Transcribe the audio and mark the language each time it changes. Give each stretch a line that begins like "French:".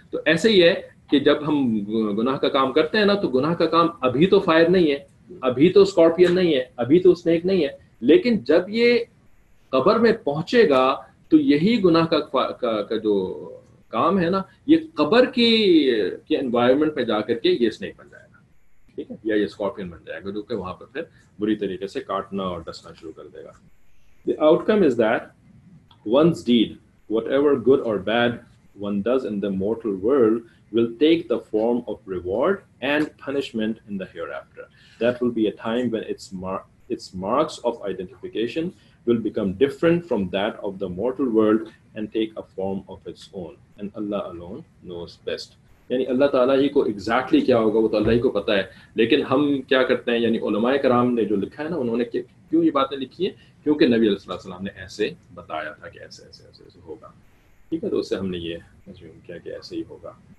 Urdu: تو ایسے ہی ہے کہ جب ہم گناہ کا کام کرتے ہیں نا تو گناہ کا کام ابھی تو فائر نہیں ہے, ابھی تو اسکارپین نہیں ہے, ابھی تو اسنیک نہیں ہے, لیکن جب یہ قبر میں پہنچے گا تو یہی گناہ کا جو کام ہے نا یہ قبر کی انوائرمنٹ میں جا کر کے یہ اسنیک بن جائے گا, ٹھیک ہے, یا یہ اسکارپین بن جائے گا جو کہ وہاں پر پھر بری طریقے سے کاٹنا اور ڈسنا شروع کر دے گا.
English: The outcome is that one's deed whatever good اور bad one does in the mortal world will take the form of reward and punishment in the hereafter. That will be a time when its marks of identification will become different from that of the mortal world and take a form of its own. And Allah alone knows best.
Urdu: یعنی اللہ تعالیٰ ہی کو exactly کیا ہوگا وہ تو اللہ ہی کو پتہ ہے, لیکن ہم کیا کرتے ہیں, یعنی علماء کرام نے جو لکھا ہے نا انہوں نے کیوں یہ باتیں لکھی ہیں, کیونکہ نبی علیہ السلام نے ایسے بتایا تھا کہ ایسے ایسے ایسے ایسے ہوگا, ٹھیک ہے, تو اس سے ہم نے یہ اسیوم کیا کہ ایسے ہی ہوگا.